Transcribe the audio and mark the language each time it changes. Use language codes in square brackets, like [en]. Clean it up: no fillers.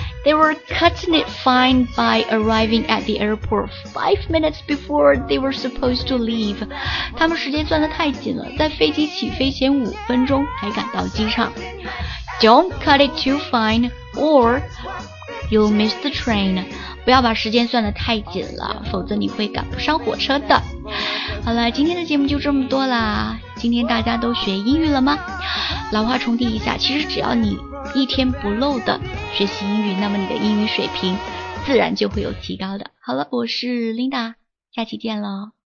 [en] They were cutting it fine by arriving at the airport 5 minutes before they were supposed to leave. [zh] 他们时间算得太紧了，在飞机起飞前5分钟才赶到机场。 [en] Don't cut it too fine or you'll miss the train. [zh] 不要把时间算得太紧了，否则你会赶不上火车的。好了，今天的节目就这么多啦。今天大家都学英语了吗？老话重提一下，其实只要你一天不漏的学习英语，那么你的英语水平自然就会有提高的。好了，我是 Linda, 下期见喽。